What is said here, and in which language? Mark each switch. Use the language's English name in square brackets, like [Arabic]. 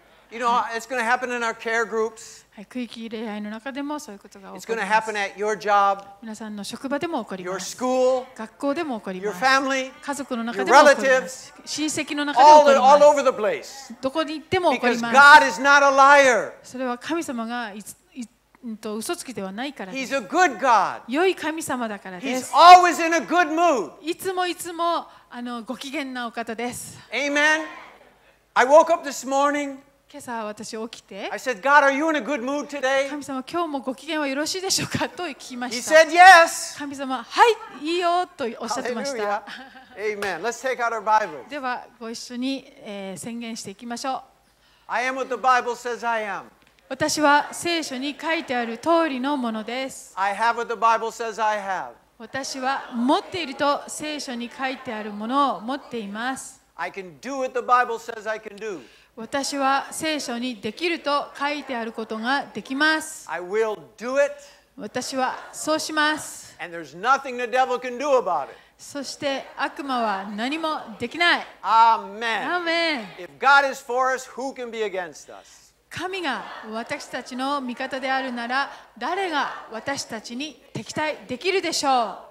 [English] You know, it's going to happen in our care groups. [Japanese] 区域礼拝の中でもそういうことが起こります。 [English] It's going to happen at your job. [Japanese] 皆さんの職場でも起こります。 [English] Your school. [Japanese] 学校でも起こります。 [English] Your family. [Japanese] 家族の中でも起こります。 [English] Your relatives. [Japanese] 親戚の中でも起こります。 [English] All over the place. [Japanese] どこに行っても起こります。 [English] Because God is not a liar. [Japanese] それは神様が嘘つきではないからです。 [English] He's a good God. [Japanese] 良い神様だからです。 [English] He's always in a good mood. [Japanese] いつもいつもご機嫌なお方です。 [English] Amen. I woke up this morning. [Japanese] 今朝私起きて、 [English] I said, God, are you in a good mood today? [Japanese] 神様、今日もご機嫌はよろしいでしょうかと聞きました。 [English] He said, yes. [Japanese] 神様、はい、いいよとおっしゃってました。 [English] Amen. Let's take out our Bibles. [Japanese] ではご一緒に、宣言していきましょう。 [English] I am what the Bible says I am. [Japanese] 私は聖書に書いてある通りのものです。 [English] I have what the Bible says I have. [Japanese] 私は持っていると聖書に書いてあるものを持っています。 [English] I can do what the Bible says I can do. [Japanese] 私は聖書にできると書いてあることができます。 [English] I will do it. [Japanese] 私はそうします。 [English] And there's nothing the devil can do about it. [Japanese] そして悪魔は何もできない。 [English] Amen. Amen. If God is for us, who can be against us? [Japanese] 神が私たちの味方であるなら、誰が私たちに敵対できるでしょう。